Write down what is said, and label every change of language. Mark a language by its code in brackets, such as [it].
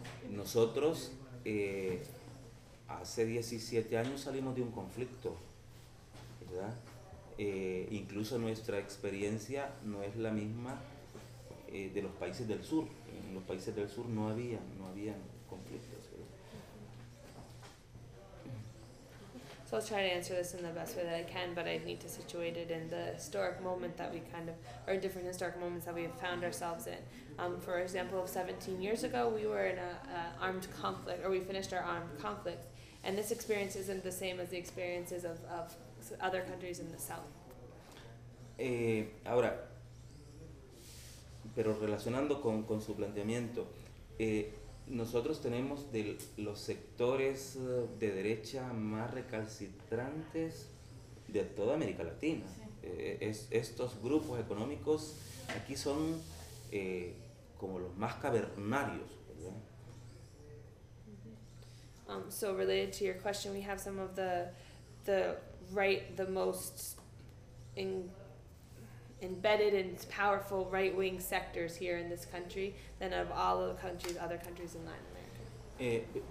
[es] Nosotros hace 17 años salimos de un conflicto, ¿verdad? Incluso nuestra experiencia no es la misma de los países del sur. En los países del sur no había, no había conflictos. [en] So I'll try to answer this in the best way that I can, but I need to situate it in the historic moment that we kind of, or different historic moments that we have found ourselves in. For example, 17 years ago, we were in an armed conflict, or we finished our armed conflict, and this experience isn't the same as the experiences of other countries in the south. [es] Ahora, pero relacionando con su planteamiento, nosotros tenemos de los sectores de derecha más recalcitrantes de toda América Latina. Sí. Estos grupos económicos aquí son como los más cavernarios, ¿verdad? [en] So related to your question, we have some of the right, the most embedded and powerful right-wing sectors here in this country than of all of the countries, other countries in Latin America.